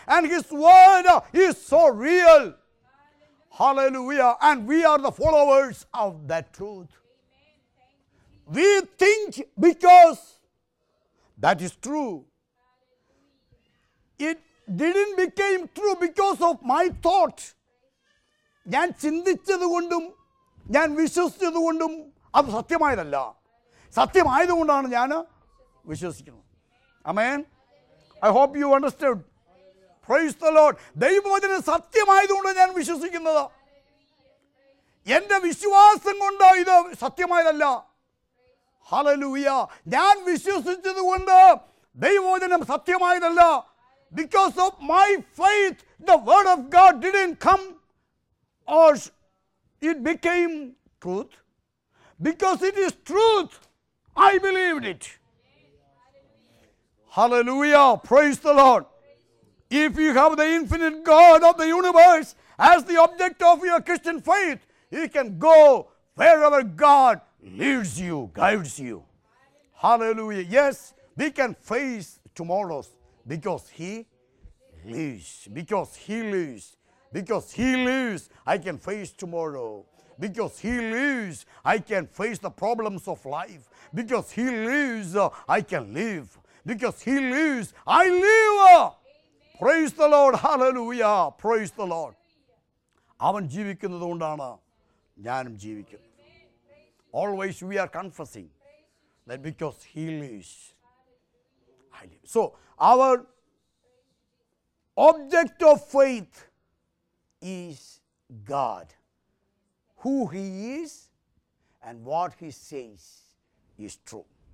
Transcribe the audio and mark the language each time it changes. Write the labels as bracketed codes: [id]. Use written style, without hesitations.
[en] And His word is so real. Hallelujah. And we are the followers of that truth. We think because that is true. It didn't become true because of my thought. [ml] ഞാൻ ചിന്തിച്ചതുകൊണ്ടും ഞാൻ വിശ്വസിച്ചതുകൊണ്ടും അത് സത്യമായതല്ല. സത്യമായതുകൊണ്ടാണ് ഞാൻ വിശ്വസിക്കുന്നത്. ആമേൻ. [en] I hope you understand. Praise the Lord. [ml] ദൈവവചനം സത്യമായതുകൊണ്ട് ഞാൻ വിശ്വസിക്കുന്നത്. എൻ്റെ വിശ്വാസം കൊണ്ട് ഇത് സത്യമായതല്ല. ഹല്ലേലൂയ. ഞാൻ വിശ്വസിച്ചത് കൊണ്ട് ദൈവവചനം സത്യമായതല്ല. [en] Because of my faith the word of God didn't come or it became truth. Because it is truth, I believed it. Hallelujah. Praise the Lord. If you have the infinite God of the universe as the object of your Christian faith, you can go wherever God leads you, guides you. Hallelujah. Yes, we can face tomorrows because He lives. Because He lives. Because He lives, I can face tomorrow. Because He lives, I can face the problems of life. Because He lives, I can live. Because He lives, I live. Amen. Praise the Lord. Hallelujah. Praise the Lord. [ml] അവൻ ജീവിക്കുന്നതുകൊണ്ടാണ് ഞാനും ജീവിക്കുന്നത്. [en] Always we are confessing that because He lives, I live. So our object of faith is God. Who He is and what He says is true.